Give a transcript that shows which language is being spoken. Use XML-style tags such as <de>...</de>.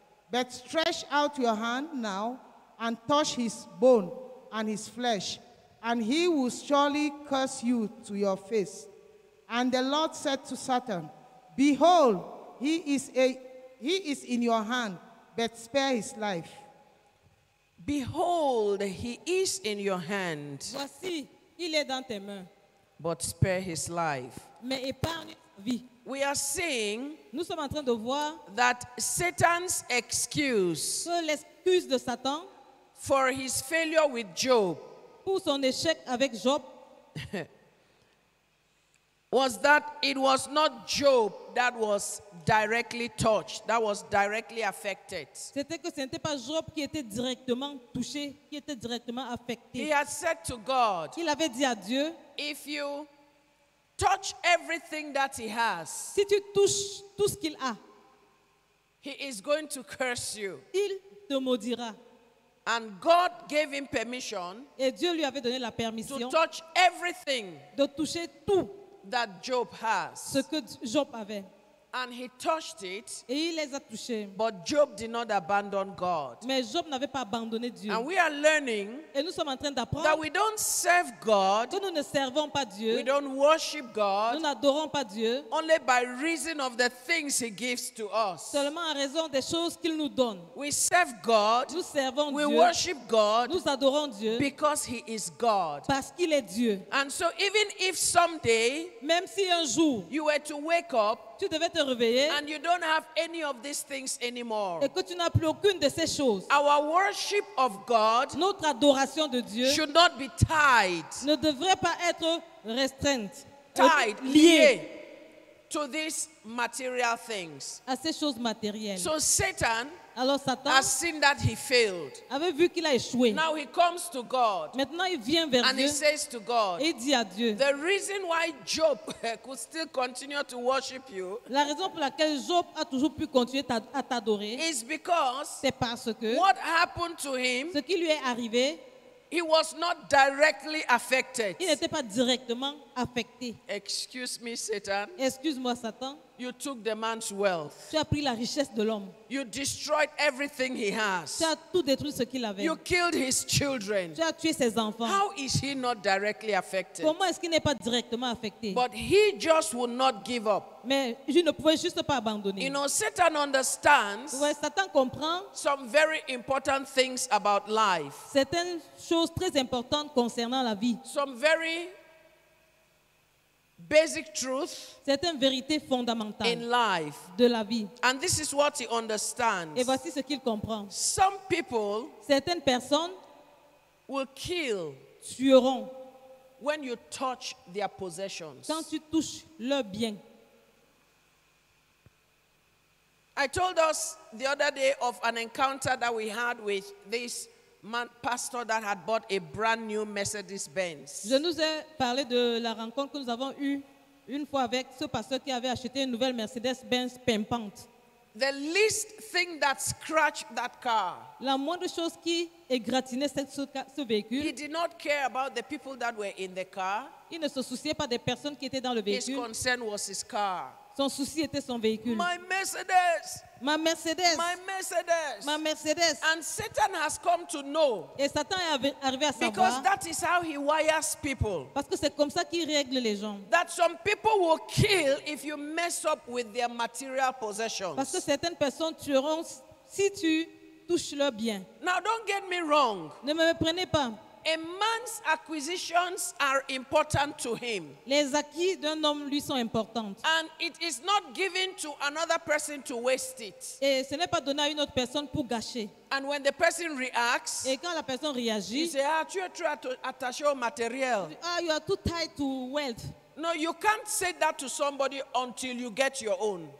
<en>But stretch out your hand now and touch his bone and his flesh, and he will surely curse you to your face." And the Lord said to Satan, "Behold, he is in your hand, but spare his life." Behold, he is in your hand.</en> <fr>Voici, il est dans tes mains.</fr> <en>but spare his life.</en> <fr>Mais épargne vie.</fr> <en>We are seeing</en> <fr>nous sommes en train de voir</fr> <en>that Satan's excuse</en> <fr>que l'excuse de Satan</fr> <en>for his failure with Job</en> <fr>pour son échec avec Job</fr> <en>was that it was not Job that was directly touched, that was directly affected.</en> <fr>C'était que ce n'était pas Job qui était directement touché, qui était directement affecté.</fr> <en>He had said to God,</en> <fr>il avait dit à Dieu,</fr> <en>if you touch everything that he has,</en> <fr>si tu touches tout ce qu'il a,</fr> <en>he is going to curse you.</en> <fr>Il te maudira.</fr> <en>And God gave him permission,</en> <fr>et Dieu lui avait donné la permission,</fr> <en>to touch everything,</en> <fr>de toucher tout,</fr> <en>that Job has.</en> <fr>Ce que Job avait.</fr> <en>And he touched it.</en> <fr>Et il les a touchés.</fr> <en>But Job did not abandon God.</en> <fr>Mais Job n'avait pas abandonné Dieu.</fr> <en>And we are learning</en> <fr>et nous sommes en train d'apprendre</fr> <en>that we don't serve God.</en> <fr>Que nous ne servons pas Dieu.</fr> <en>We don't worship God.</en> <fr>Nous n'adorons pas Dieu.</fr> <en>Only by reason of the things he gives to us.</en> <fr>Seulement en raison des choses qu'il nous donne.</fr> <en>We serve God.</en> <fr>Nous servons</fr> <en>we</en> <fr>Dieu.</fr> <en>We worship God.</en> <fr>Nous adorons Dieu.</fr> <en>Because he is God.</en> <fr>Parce qu'il est Dieu.</fr> <en>And so even if someday</en> <fr>même si un jour</fr> <en>you were to wake up</en> <fr>tu devais te réveiller</fr> <en>and you don't have any of these things anymore.</en> <fr>Et que tu n'as plus aucune de ces choses.</fr> <en>Our worship of God</en> <fr>notre adoration de Dieu</fr> <en>should not be tied,</en> <fr>ne devrait pas être restreinte,</fr> <en>tied,</en> <fr>liée</fr> <en>to these material things.</en> <fr>À ces choses matérielles.</fr> <en>So Satan,</en> <fr>alors Satan</fr> <en>has seen that he failed.</en> <fr>Avait vu qu'il a échoué.</fr> <en>Now he comes to God.</en> <fr>Maintenant il vient vers</fr> <en>and</en> <fr>Dieu.</fr> <en>And he says to God.</en> <fr>Et dit à Dieu.</fr> <en>The reason why Job could still continue to worship you.</en> <fr>La raison pour laquelle Job a toujours pu continuer à t'adorer.</fr> <en>Is because.</en> <fr>C'est parce que.</fr> <en>What happened to him?</en> <fr>Ce qui lui est arrivé.</fr> <en>He was not directly affected.</en> <fr>Il n'était pas directement affecté.</fr> <en>Excuse me, Satan.</en> <fr>Excuse-moi, Satan.</fr> <en>You took the man's wealth.</en> <fr>Tu as pris la richesse de l'homme.</fr> <en>You destroyed everything he has.</en> <fr>Tu as tout détruit ce qu'il avait.</fr> <en>You killed his children.</en> <fr>Tu as tué ses enfants.</fr> <en>How is he not directly affected?</en> <fr>Comment est-ce qu'il n'est pas directement affecté?</fr> <en>But he just would not give up.</en> <fr>Mais il ne pouvait juste pas abandonner.</fr> <en>You know, Satan understands.</en> <fr>Ouais, Satan comprend.</fr> <en>Some very important things about life.</en> <fr>Certaines choses très importantes concernant la vie.</fr> <en>Some very basic truth,</en> <fr>certaines vérités fondamentales</fr> <en>in life,</en> <fr>de la vie,</fr> <en>and this is what he understands.</en> <fr>Et voici ce qu'il comprend.</fr> <en>Some people,</en> <fr>certaines personnes,</fr> <en>will kill,</en> <fr>tueront,</fr> <en>when you touch their possessions.</en> <fr>Quand tu touches leurs biens.</fr> <en>I told us the other day of an encounter that we had with this man pastor that had bought a brand new Mercedes Benz.</en> <fr>Je nous ai parlé de la rencontre que nous avons eue une fois avec ce pasteur qui avait acheté une nouvelle Mercedes Benz pimpante.</fr> <en>The least thing that scratched that car.</en> <fr>La moindre chose qui égratignait ce véhicule.</fr> <en>He did not care about the people that were in the car.</en> <fr>Il ne se souciait pas des personnes qui étaient dans le véhicule.</fr> <en>His concern was his car.</en> <fr>Son souci était son véhicule.</fr> <en>My Mercedes.</en> <fr>Ma Mercedes.</fr> <en>My Mercedes.</en> <fr>Ma Mercedes.</fr> <en>And Satan has come to know.</en> <fr>Et Satan est arrivé à savoir.</fr> <en>Because that is how he wires people.</en> <fr>Parce que c'est comme ça qu'il règle les gens.</fr> <en>That some people will kill if you mess up with their material possessions.</en> <fr>Parce que certaines personnes tueront si tu touches leurs biens.</fr> <en>Now don't get me wrong.</en> <fr>Ne me prenez pas.</fr> <en>A man's acquisitions are important to him.</en> <fr>Les acquis d'un homme lui sont importants.</fr> <en>And it is not given to another person to waste it.</en> <fr>Et ce n'est pas donné à une autre personne pour gâcher.</fr> <en>And when the person reacts,</en> <fr>et quand la personne réagit,</fr> <en>you say, ah,</en> <fr>tu es trop attaché au matériel.</fr> <en>Ah, you are too tied to wealth. No, you can't say that to somebody until you get your own.</en>